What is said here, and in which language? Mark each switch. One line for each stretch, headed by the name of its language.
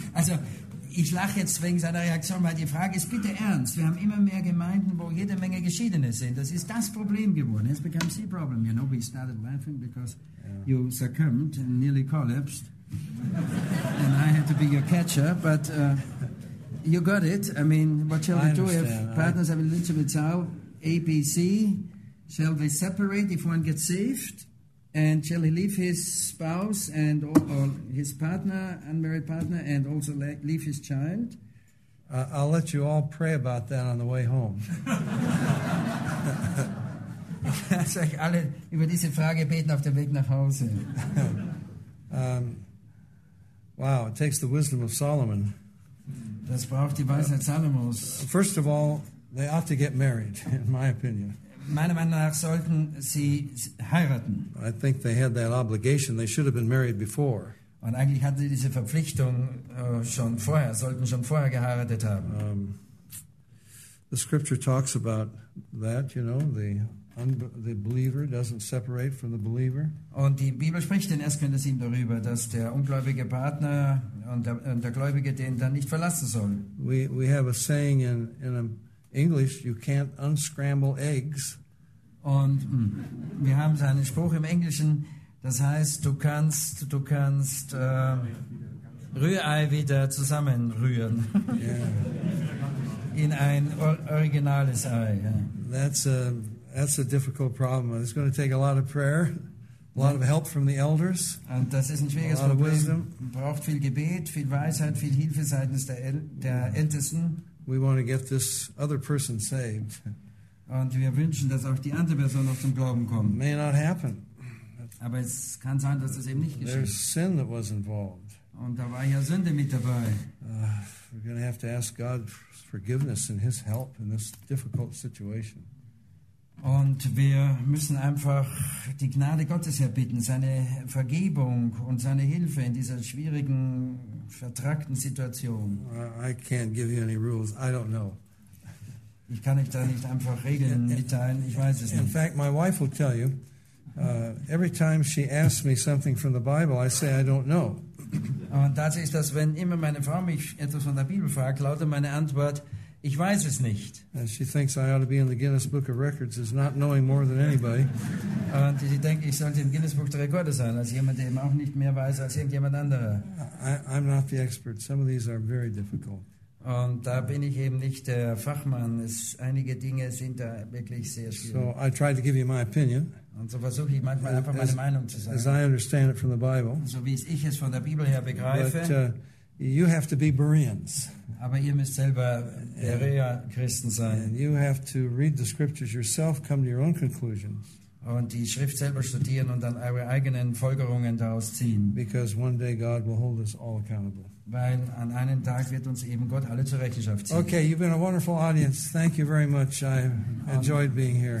German: Also, ich lache jetzt wegen seiner Reaktion, weil die Frage ist bitte ernst. Wir haben immer mehr Gemeinden, wo jede Menge Geschiedene sind. Das ist das Problem geworden.
English: It's become the problem. You know, we started laughing because you succumbed and nearly collapsed. And I had to be your catcher, but you got it. I mean, what shall we do if partners have a legitimate child? A, B, C. Shall they separate if one gets saved? And shall he leave his spouse and or his partner, unmarried partner, and also leave his child? I'll let you all pray about that on the way home.
German: Lass euch alle über diese Frage beten auf dem Weg nach Hause.
English: Wow, it takes the wisdom of Solomon.
German: Das braucht die Weisheit Salomos.
English: First of all, they ought to get married, in my opinion.
German: Meiner Meinung nach sollten sie heiraten.
English: I think they had that obligation. They should have been married before.
German: Und eigentlich hatten sie diese Verpflichtung sollten schon vorher geheiratet haben.
English: The scripture talks about that, you know, the believer doesn't separate from the believer.
German: Und die Bibel spricht in 1. Korinther 7 darüber, dass der ungläubige Partner und der Gläubige den dann nicht verlassen soll.
English: We have a saying in English, you can't unscramble eggs.
German: Und wir haben so einen Spruch im Englischen, das heißt, du kannst Rührei wieder zusammenrühren.
English: Yeah.
German: In ein originales Ei. Yeah.
English: That's a difficult problem. It's going to take a lot of prayer, a lot of help from the elders.
German: Und das ist ein schwieriges Problem. Wisdom. Braucht viel Gebet, viel Weisheit, viel Hilfe seitens der Ältesten.
English: We want to get this other person saved.
German: Und wir wünschen, dass auch die andere Person noch zum Glauben kommt.
English: May not happen.
German: Aber es kann sein, dass es eben nicht geschieht.
English: There's sin that was involved.
German: Und da war ja Sünde mit dabei.
English: We're going to have to ask God's forgiveness and his help in this difficult situation.
German: Und wir müssen einfach die Gnade Gottes erbitten, seine Vergebung und seine Hilfe in dieser schwierigen, vertrackten Situation.
English: I can't give you any rules. I don't know.
German: Ich kann euch da nicht einfach Regeln mitteilen. Ich weiß es nicht.
English: In fact, my wife will tell you, every time she asks me something from the Bible, I say I don't know.
German: Und das ist das, wenn immer meine Frau mich etwas von der Bibel fragt, lautet meine Antwort, ich weiß es nicht.
English: And she thinks I ought to be in the Guinness Book of Records as not knowing more than anybody.
German: Und sie denkt, ich sollte im Guinness Buch der Rekorde sein, als jemand, der eben auch nicht mehr weiß als irgendjemand anderer.
English: I'm not the expert. Some of these are very difficult.
German: Und da bin ich eben nicht der Fachmann. Einige Dinge sind da wirklich sehr schwierig.
English: So I try to give you my opinion.
German: Und so versuche ich manchmal einfach meine Meinung zu sagen.
English: As I understand it from the Bible.
German: So wie ich es von der Bibel her begreife.
English: But, you have to be Bereans.
German: Aber ihr müsst selber Berea-Christen sein.
English: And you have to read the scriptures yourself, come to your own conclusions.
German: und die Schrift selber studieren und dann eure eigenen Folgerungen daraus ziehen.
English: Because one day God will hold us all accountable.
German: Weil an einem Tag wird uns eben Gott alle zur Rechenschaft ziehen.
English: Okay, you've been a wonderful audience. Thank you very much. I enjoyed being here.